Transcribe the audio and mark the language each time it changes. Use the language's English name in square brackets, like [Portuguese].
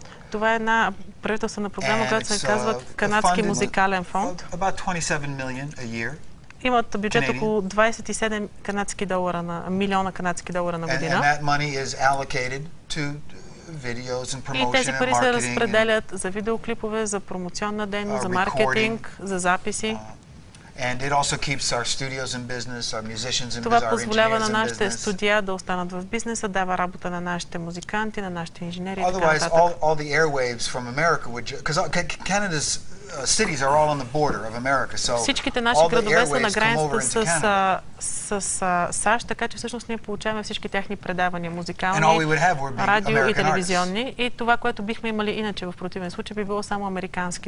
[Bulgarian] Това е една правителствена програма, която се казва Канадски музикален фонд. [English] About 27 million a year. [Bulgarian] Имат бюджет около 27 канадски долара на милиона канадски долара на година. [English] And that money is allocated to videos and promotion. [Bulgarian] И тези пари се разпределят за видеоклипове, за промоционна дейност, за маркетинг, за записи. [English] And it also keeps our studios in business, our musicians in business. [Bulgarian] Това позволява на нашите студия да останат в бизнеса, дава работа на нашите музиканти, на нашите инженери и така нататък. [English] Otherwise all the airwaves from America would, because Canada's cities are all on the border of America. So [Bulgarian] всичките наши градове са на границата с САЩ, така че всъщност ние получаваме всички тяхни предавания музикални, радио и телевизионни. И това, което бихме имали иначе в противен случай, би било само американски